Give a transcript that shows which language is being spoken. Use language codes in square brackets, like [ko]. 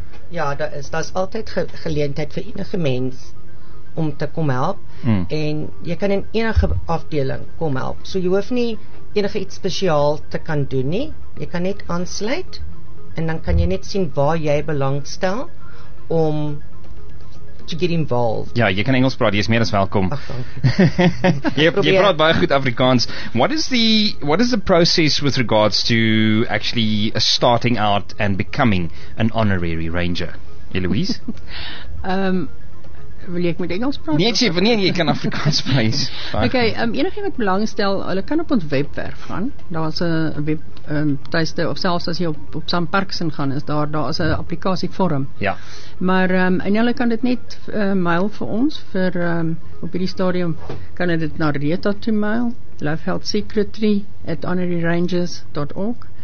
[af] Ja, daar is altyd geleentheid vir enige mens om te kom help, en jy kan in enige afdeling kom help, so jy hoef nie enige iets spesiaal te kan doen nie, jy kan net aansluit, en dan kan jy net sien waar jy belang stel om [en] to get involved. [af] Ja, jy kan Engels praat, jy is meer as welkom. Ach, dankie. jy praat baie goed Afrikaans. [en] What is the process with regards to actually starting out and becoming an honorary ranger? Eloise? [af] Wil jy ek met Engels praat? Nee, jy kan Afrikaans praat. Okay, enige wat belangstel, hulle kan op ons webwerf gaan. Daar is 'n web tuiste, of selfs as jy op Sam Parkson gaan, is daar is 'n applikasie vorm. Ja. Maar, en hulle kan dit net mail vir ons, vir op hierdie stadium kan hulle dit naar Rita toe mail, lifehealthsecretary@honoraryrangers.org